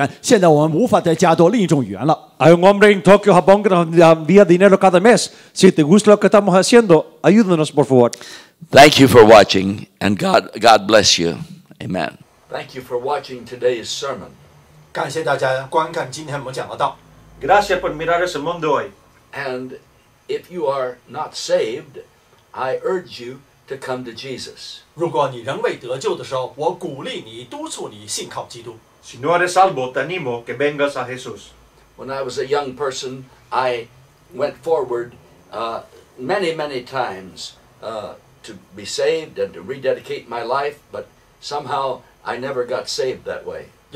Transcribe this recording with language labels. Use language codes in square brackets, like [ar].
[zh] 如果你喜欢了，可以在经济上面帮助我们，再加多其他种语言。现在我们无法再加多另一种语言了。 [es] Hay un hombre en Tokio, Japón, que nos envía dinero cada mes. Si te gusta lo que estamos haciendo, ayúdanos, por favor. [en] Thank you for watching, and God bless you. Amen. Thank you for watching today's sermon. [zh] 感谢大家观看今天我们讲的道。 [es] Gracias por mirar el sermón de hoy. [en] And if you are not saved, I urge you to come to Jesus. [zh] 如果你仍未得救的时候，我鼓励你，督促你信靠基督。 [es] Si no eres salvo, te animo que vengas a Jesús. [en] When I was a young person, I went forward many, many times to be saved and to rededicate my life, but somehow I never got saved that way.